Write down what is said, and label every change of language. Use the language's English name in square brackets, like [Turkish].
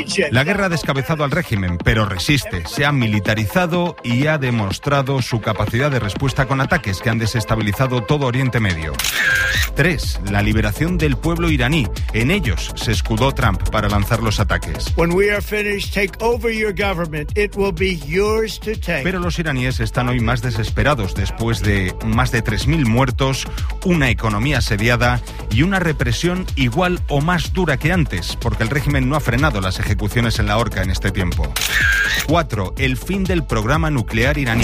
[Spanish] La guerra ha descabezado al régimen, pero resiste. Se ha militarizado y ha demostrado su capacidad de respuesta con ataques que han desestabilizado todo Oriente Medio. 3. La liberación del pueblo iraní. En ellos se escudó Trump para lanzar los ataques. [English] When we are finished, take over your government. It will be yours to take. [Spanish] Pero los iraníes están hoy más desesperados después de más de 3.000 muertos, una economía asediada y una represión igual o más dura que antes, porque el régimen no ha frenado las ejecuciones en la horca en este tiempo. 4. El fin del programa nuclear iraní.